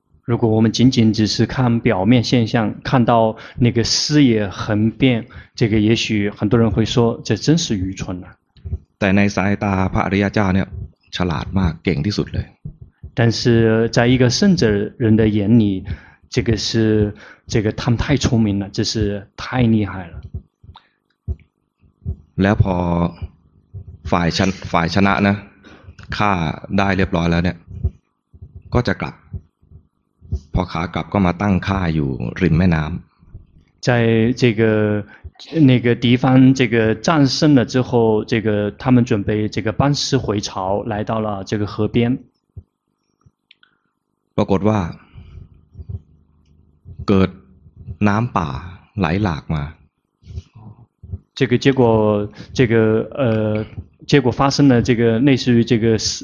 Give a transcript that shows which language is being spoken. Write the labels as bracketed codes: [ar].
[zh] 如果我们仅仅只是看表面现象看到那个视野横变这个也许很多人会说这真是愚蠢啊 [th] แต่ในสายตาพระอริยเจ้าเนี่ยฉลาดมากเก่งที่สุดเลย [zh] 但是在一个圣者人的眼里这个是这个他们太聪明了这是太厉害了 [th] แล้วพอฝ่ายชนะนะฆ่าได้เรียบร้อยแล้วเนี่ยก็จะกลับพอขากลับก็มาตั้งค่ายอยู่ริมแม่น้ำ [zh] 在这个那个敌方这个战胜了之后这个他们准备这个班师回朝来到了这个河边 [th] ปรากฏว่าเกิดน้ำป่าไหลหลากมา [zh] 这个结果这个结果发生了这个类似于这个